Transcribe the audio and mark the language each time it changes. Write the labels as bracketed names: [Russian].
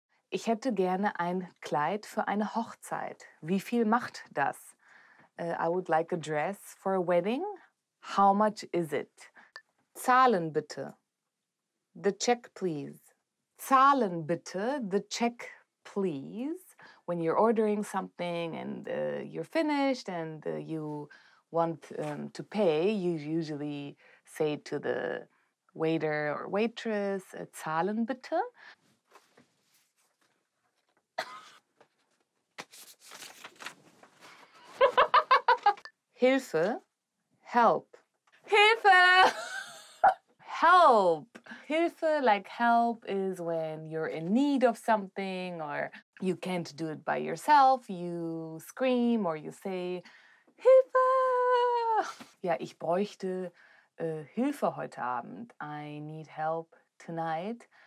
[German] Ich hätte gerne ein Kleid für eine Hochzeit. Wie viel macht das? [English] I would like a dress for a wedding. How much is it? [German] Zahlen bitte. [English] The check, please. [German] Zahlen bitte. [English] The check, please. When you're ordering something and you're finished and you want to pay, you usually say to the waiter or waitress, zahlen bitte. Hilfe, help. Hilfe! Help! Hilfe, like help, is when you're in need of something or you can't do it by yourself. You scream or you say, Hilfe! [German] Ja, ich bräuchte Hilfe heute Abend. [English] I need help tonight.